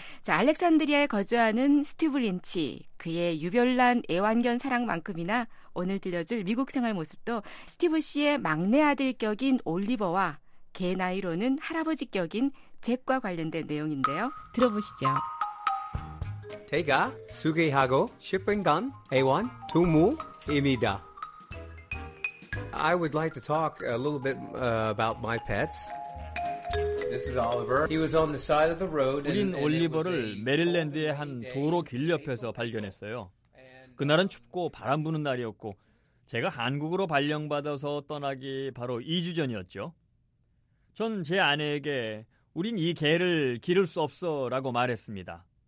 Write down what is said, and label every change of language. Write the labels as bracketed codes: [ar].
[ko] 자, 알렉산드리아에 거주하는 스티브 린치, 그의 유별난 애완견 사랑만큼이나 오늘 들려줄 미국 생활 모습도 스티브 씨의 막내 아들 격인 올리버와 개 나이로는 할아버지 격인 잭과 관련된 내용인데요. 들어보시죠. 제가 소개하고 싶은 건 애완 동물입니다. [en] I would like to talk a little bit about my pets. This is Oliver. He was on the side of the road. [ko] 우린 올리버를 메릴랜드의 한 도로 길 옆에서 발견했어요. 그날은 춥고 바람 부는 날이었고 제가 한국으로 발령받아서 떠나기 바로 2주 전이었죠. 전 제 아내에게 우린 이 개를 기를 수 없어라고 말했습니다.